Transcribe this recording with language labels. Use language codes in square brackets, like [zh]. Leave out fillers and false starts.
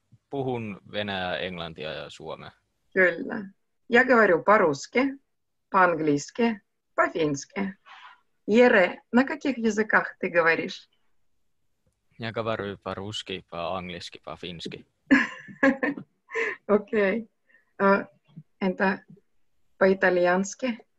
[fi] Puhun venäjää, englantia ja suomea. Kyllä. [ru] Я говорю по-русски, по-английски, по-фински. Jere, на каких языках ты говоришь? Я говорю по-русски, по-английски, по-фински. Окей. [fi] Entä [ru] по-итальянски?